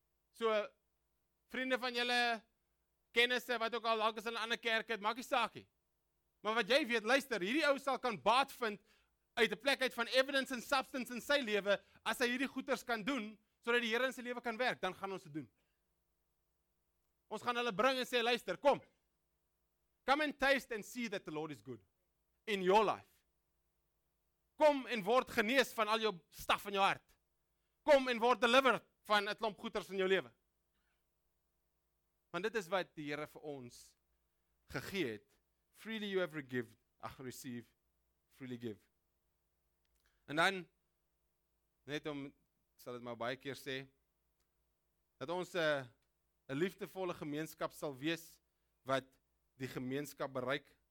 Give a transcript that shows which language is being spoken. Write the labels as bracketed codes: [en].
[af] So, vriende van julle, kennisse, wat ook al lank is in 'n ander kerk het, maak die saakie. Maar wat jy weet, luister, hierdie ou sal kan baat vind uit 'n plek uit van evidence en substance in sy lewe, as hy hierdie goeders kan doen, sodat die Here in sy lewe kan werk, dan gaan ons dit doen. Ons gaan hulle bring en sê, luister, kom. [en] Come and taste and see that the Lord is good in your life. [af] Kom en word genees van al jou staf in jou hart. Kom en word delivered van 'n klomp goeders in jou lewe. Want dit is wat die Here vir ons gegee het. [en] Freely you have received, freely give. [af] En dan, net om, sal het maar baie keer sê, dat ons 'n liefdevolle gemeenskap sal wees, wat die gemeenskap bereik.